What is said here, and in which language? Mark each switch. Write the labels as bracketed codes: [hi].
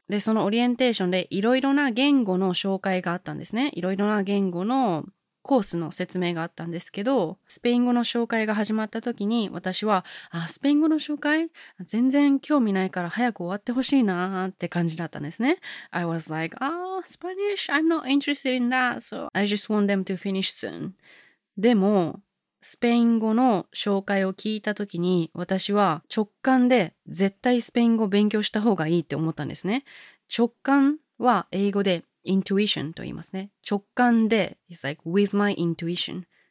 [ja] で、そのオリエンテーションでいろいろな言語の紹介があったんですね。いろいろな言語のコースの説明があったんですけど、スペイン語の紹介が始まった時に私は、あ、スペイン語の紹介？全然興味ないから早く終わってほしいなって感じだったんですね。 [en] I was like, oh, Spanish, I'm not interested in that, so I just want them to finish soon. [ja] でも、スペイン語の紹介を聞いた時に私は直感で絶対スペイン語勉強した方がいいって思ったんですね。直感は英語で [en] intuition [ja] と言いますね。直感で、 [en] it's like with my intuition.